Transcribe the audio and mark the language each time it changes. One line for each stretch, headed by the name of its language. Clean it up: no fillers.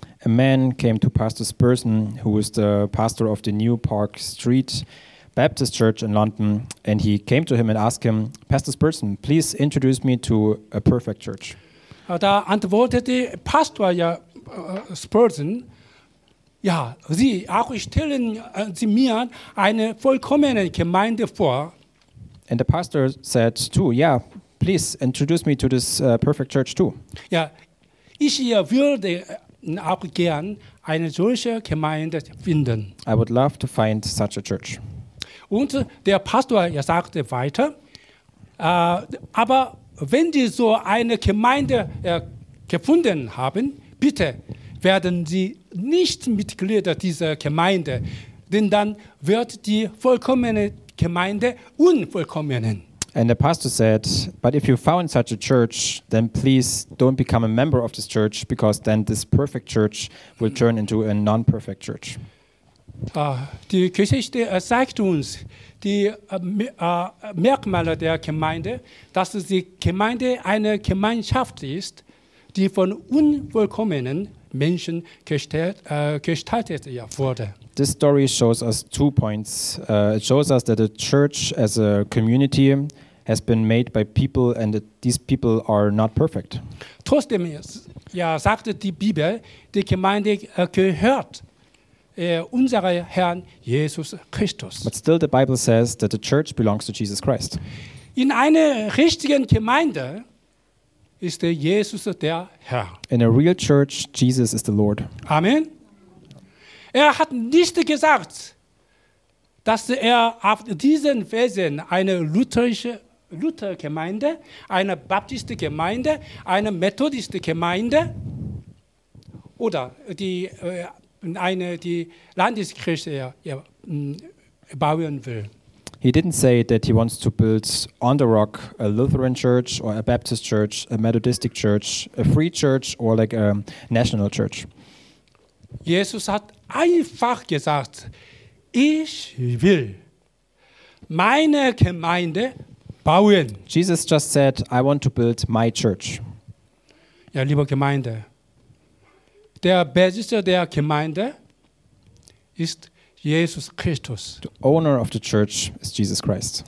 English: A man came to Pastor Spurgeon, who was the pastor of the New Park Street Baptist Church in London, and he came to him and asked him, Pastor Spurgeon, please introduce me to a perfect church.
German: Da antwortete Pastor Spurgeon, ja, Sie auch stellen Sie mir eine vollkommene Gemeinde vor.
English: And the pastor said too, yeah, please introduce me to this perfect church too.
German: Ja, ich würde auch gern eine solche Gemeinde finden.
English: I would love to find such a church.
German: Und der Pastor sagte weiter, aber wenn Sie so eine Gemeinde gefunden haben, bitte werden Sie nicht Mitglieder dieser Gemeinde, denn dann wird die vollkommene Gemeinde unvollkommen.
English: And the pastor said, but if you found such a church, then please don't become a member of this church, because then this perfect church will turn into a non-perfect church.
German: Die Geschichte zeigt uns die Merkmale der Gemeinde, dass die Gemeinde eine Gemeinschaft ist, die von unvollkommenen Menschen gestaltet wurde.
English: This story shows us two points. It shows us that a church as a community has been made by people, and that these people are not perfect.
German: Trotzdem, ja, sagte die Bibel, die Gemeinde gehört unserer Herrn Jesus Christus.
English: But still the Bible says that the church belongs to Jesus Christ.
German: In einer richtigen Gemeinde ist Jesus der Herr.
English: In a real church, Jesus is the Lord. Amen.
German: Er hat nicht gesagt, dass auf diesen Felsen eine Luther-Gemeinde, eine Baptist-Gemeinde, eine Methodist-Gemeinde oder die Landeskirche bauen will.
English: He didn't say that he wants to build on the rock a Lutheran church or a Baptist church, a Methodistic church, a free church or like a national church.
German: Jesus hat einfach gesagt, ich will meine Gemeinde bauen.
English: Jesus just said, I want to build my church.
German: Ja, liebe Gemeinde, der Besitzer der Gemeinde ist Jesus Christus.
English: The owner of the church is Jesus Christ.